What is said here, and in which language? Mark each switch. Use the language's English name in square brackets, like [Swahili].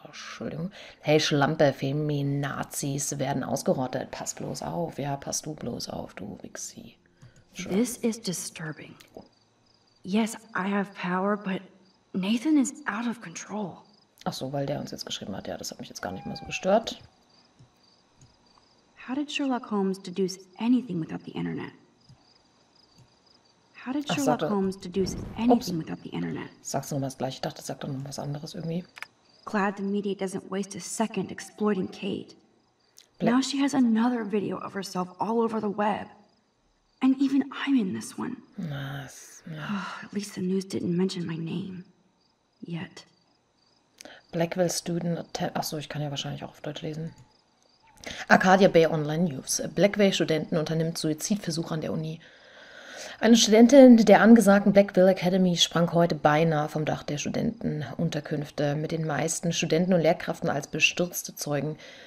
[German] Oh, Entschuldigung. Hey, Schlampe, Feminazis werden ausgerottet. Pass bloß auf. Ja, pass du bloß auf, du Wixi. Sure. [English] This is disturbing. Yes, I have power, but... Nathan is out of control. [German] Ach so, weil der uns jetzt geschrieben hat. Ja, das hat mich jetzt gar nicht mehr so gestört. [English] How did Sherlock Holmes deduce anything without the internet? How did Sherlock Holmes deduce anything without the internet? [German] Sagst du nochmal das gleiche? Ich dachte, sagt doch noch was anderes irgendwie. [English] Glad the media doesn't waste a second exploiting Kate. Now she has another video of herself all over the web. And even I'm in this one. Nice. Oh, at least the news didn't mention my name. Yet. Blackwell student attempt... [German] Achso, ich kann ja wahrscheinlich auch auf Deutsch lesen. Arcadia Bay Online News. Blackwell Studenten unternimmt Suizidversuch an der Uni. Eine Studentin der angesagten Blackwell Academy sprang heute beinahe vom Dach der Studentenunterkünfte mit den meisten Studenten und Lehrkräften als bestürzte Zeugen.